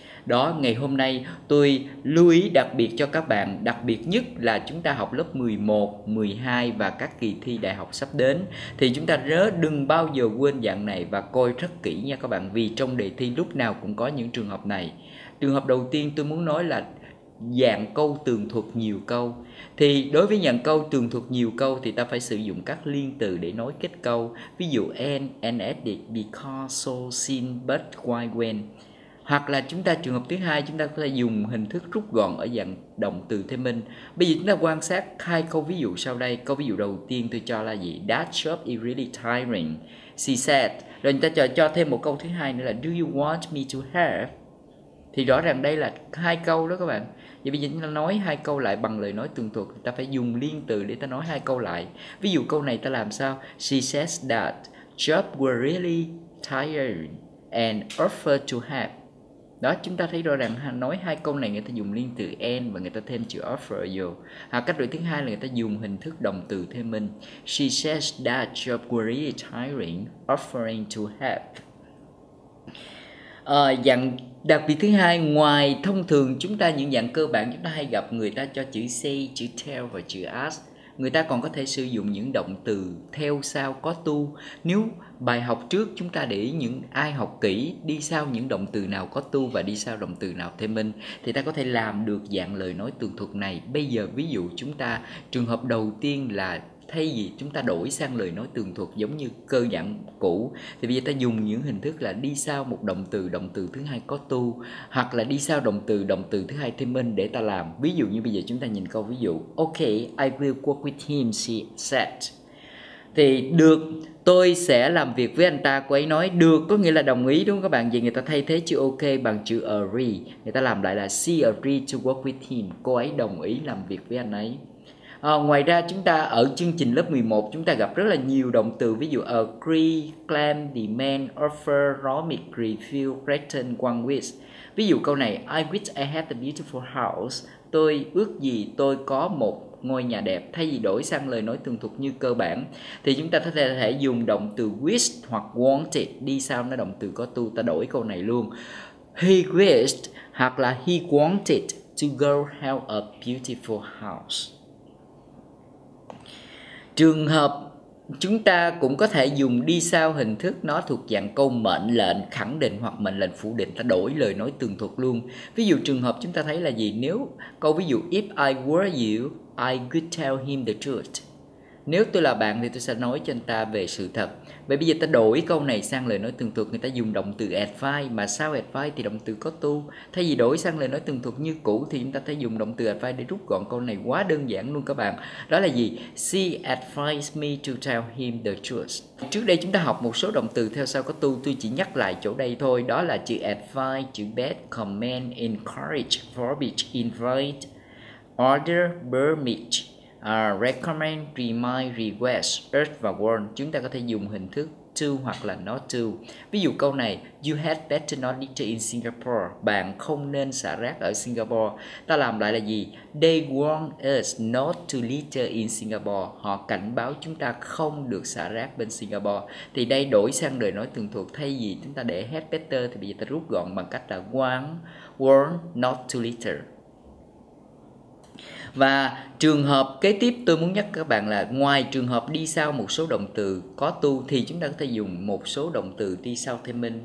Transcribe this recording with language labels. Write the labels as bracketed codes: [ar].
[vi] Đó, ngày hôm nay tôi lưu ý đặc biệt cho các bạn, đặc biệt nhất là chúng ta học lớp 11, 12 và các kỳ thi đại học sắp đến, thì chúng ta đừng bao giờ quên dạng này và coi rất kỹ nha các bạn, vì trong đề thi lúc nào cũng có những trường hợp này. Trường hợp đầu tiên tôi muốn nói là dạng câu tường thuật nhiều câu. Thì đối với dạng câu tường thuật nhiều câu thì ta phải sử dụng các liên từ để nói kết câu. [en] Ví dụ and, and as, because, so, since, but, why, when. [vi] Hoặc là chúng ta trường hợp thứ hai, chúng ta có thể dùng hình thức rút gọn ở dạng động từ thêm minh. Bây giờ chúng ta quan sát hai câu ví dụ sau đây. Câu ví dụ đầu tiên tôi cho là gì? [en] That job is really tiring, she said. [vi] Rồi chúng ta cho thêm một câu thứ hai nữa là [en] do you want me to help? [vi] Thì rõ ràng đây là hai câu đó các bạn. Vậy bây giờ chúng ta nói hai câu lại bằng lời nói tường thuật. Ta phải dùng liên từ để ta nói hai câu lại. Ví dụ câu này ta làm sao? [en] She says that job were really tiring and offered to help. [vi] Đó, chúng ta thấy rõ ràng nói hai câu này người ta dùng liên từ and và người ta thêm chữ offer vô. Cách đổi thứ hai là người ta dùng hình thức động từ thêm minh. [en] She says that job was really tiring, offering to help. [vi] Dạng đặc biệt thứ hai, ngoài thông thường chúng ta những dạng cơ bản chúng ta hay gặp, người ta cho chữ say, chữ tell và chữ ask. Người ta còn có thể sử dụng những động từ theo sau có to. Nếu bài học trước chúng ta để ý những ai học kỹ đi sau những động từ nào có to và đi sau động từ nào thêm minh, thì ta có thể làm được dạng lời nói tường thuật này. Bây giờ ví dụ chúng ta trường hợp đầu tiên là thay vì chúng ta đổi sang lời nói tường thuật giống như cơ dạng cũ, thì bây giờ ta dùng những hình thức là đi sau một động từ thứ hai có to, hoặc là đi sau động từ thứ hai thêm minh để ta làm. Ví dụ như bây giờ chúng ta nhìn câu ví dụ. [en] Ok, I will work with him, she said. [vi] Thì được, tôi sẽ làm việc với anh ta, cô ấy nói. Được có nghĩa là đồng ý đúng không các bạn? Vậy người ta thay thế chữ ok bằng chữ agree. Người ta làm lại là [en] she agreed to work with him. [vi] Cô ấy đồng ý làm việc với anh ấy. Ngoài ra chúng ta ở chương trình lớp 11 chúng ta gặp rất là nhiều động từ, ví dụ agree, claim, demand, offer, promise, refuse, threaten, want, wish. Ví dụ câu này, [en] I wish I had a beautiful house. [vi] Tôi ước gì tôi có một ngôi nhà đẹp. Thay vì đổi sang lời nói tường thuật như cơ bản thì chúng ta có thể dùng động từ wish hoặc wanted đi sau nó động từ có to, ta đổi câu này luôn. [en] He wished [vi] hoặc là [en] he wanted to go have a beautiful house. [vi] Trường hợp chúng ta cũng có thể dùng đi sau hình thức nó thuộc dạng câu mệnh lệnh khẳng định hoặc mệnh lệnh phủ định, ta đổi lời nói tường thuật luôn. Ví dụ trường hợp chúng ta thấy là gì? Nếu câu ví dụ [en] if I were you, I could tell him the truth. [vi] Nếu tôi là bạn thì tôi sẽ nói cho anh ta về sự thật. Vậy bây giờ ta đổi câu này sang lời nói tường thuật, người ta dùng động từ advise, mà sau advise thì động từ có to. Thay vì đổi sang lời nói tường thuật như cũ thì chúng ta sẽ dùng động từ advise để rút gọn câu này, quá đơn giản luôn các bạn. Đó là gì? [en] She advised me to tell him the truth. [vi] Trước đây chúng ta học một số động từ theo sau có to, tôi chỉ nhắc lại chỗ đây thôi. [en] Đó là chữ advise, chữ bet, command, encourage, forbid, invite, order, permit, recommend, remind, request, urge và warn. [vi] Chúng ta có thể dùng hình thức to hoặc là not to. Ví dụ câu này, [en] you had better not litter in Singapore. [vi] Bạn không nên xả rác ở Singapore. Ta làm lại là gì? [en] They warn us not to litter in Singapore. [vi] Họ cảnh báo chúng ta không được xả rác bên Singapore. Thì đây đổi sang lời nói tường thuật, thay vì chúng ta để had better thì bây giờ ta rút gọn bằng cách là warn not to litter. Và trường hợp kế tiếp tôi muốn nhắc các bạn là ngoài trường hợp đi sau một số động từ có to thì chúng ta có thể dùng một số động từ đi sau thêm minh.